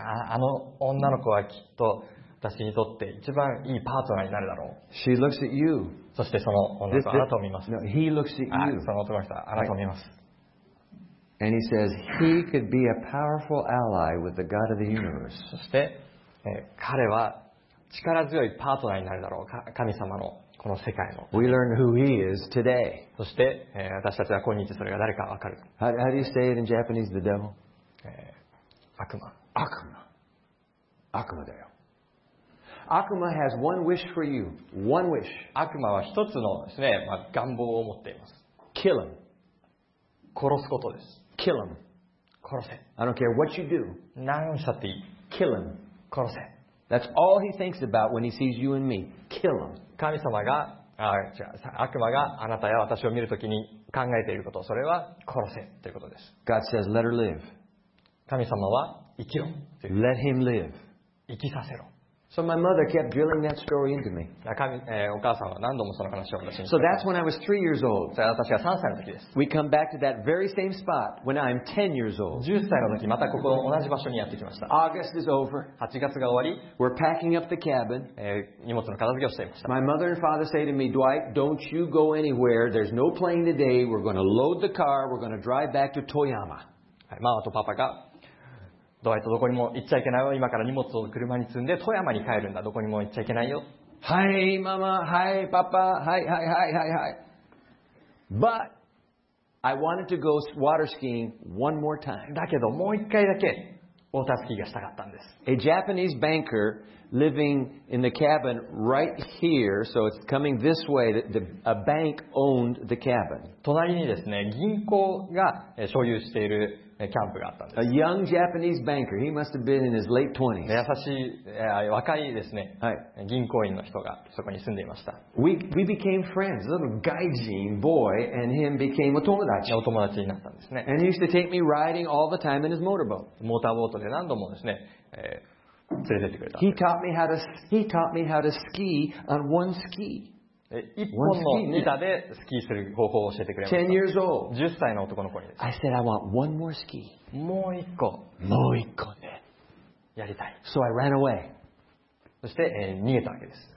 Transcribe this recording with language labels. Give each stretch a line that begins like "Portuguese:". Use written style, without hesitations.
Japanese: あの女の子はきっと私にとって一番いいパートナーになるだろう。
English: She looks at you.
Japanese: そしてその女の子はあなたを見ます。
English: No, he looks at you.
Japanese: その男の人はあなたを見ます。
English: And he says, he could be a powerful ally with the God of the universe.
Japanese: そして、彼は力強いパートナーになるだろう。神様のこの世界の。
English: We learn who he is today.
Japanese: そして、私たちは今日それが誰かわかる。
English: How do you say it in Japanese, the devil?
Japanese: 悪魔だよ。
English: 悪魔 has one wish for you. One wish.
Japanese: 悪魔は一つのですね、まあ、願望を持っています。
English: Kill him.
Japanese: 殺すことです。
English: Kill him.
Japanese: 殺せ。
English: I don't care what you do.
Japanese: 何をしたっていい。
English: Kill him.
Japanese: 殺せ。
English: That's all he thinks about when he sees you and me. Kill him.
Japanese: 神様が、悪魔があなたや私を見るときに考えていること、それは殺せということです。
English: God says, let her live.
Japanese: 神様は生きろ。
English: Let him live.
Japanese: 生きさせろ。
English: So my mother kept drilling that story into me.
Japanese: お母さんは何度もその話を私に。
English: So that's when I was 3 years old.
Japanese: 私は3歳の時です。
English: We come back to that very same spot when I'm 10 years old.
Japanese: 10歳の時またここ同じ場所にやってきました。
English: August is over.
Japanese: 8月が終わり。
English: We're packing up the cabin.
Japanese: 荷物の片付けをしていました。
English: My mother and father say to me, Dwight, don't you go anywhere. There's no plane today. We're going to load the car. We're going to drive back to Toyama.
Japanese: ママとパパがドワイトどこにも行っちゃいけないよ。今から荷物を車に積んで富山に帰るんだ。どこにも行っちゃいけないよ。はい、ママ、はい、パパ、はい、はい、はい、はい、はい。
English: But I wanted to go water skiing one more time.
Japanese: だけどもう一回だけウォータースキーがしたかったんです。
English: A Japanese banker living in the cabin right here, so it's coming this way. A bank owned the cabin.
Japanese: 隣にですね、銀行が所有しているキャンプがあったんです。
English: A young Japanese banker. He must have been in his late 20s.
Japanese: 優しい若いですね、はい、銀行員の人がそこに住んでいました。
English: We became friends. A little gaijin boy and him became 友達。
Japanese: お友達になったんですね。
English: And he used to take me riding all the time in his motorboat.
Japanese: モーターボートで何度もですね、連れてってくれた。
English: He taught me how to ski on one ski.
Japanese: 一本の板でスキーする方法を教えてくれました。
English: 10 years old.
Japanese: 10歳の男の子にです
English: 。 I said I want one more ski.
Japanese: もう一個。もう一個ね。やりたい。
English: So I ran away.
Japanese: そして、逃げたわけです。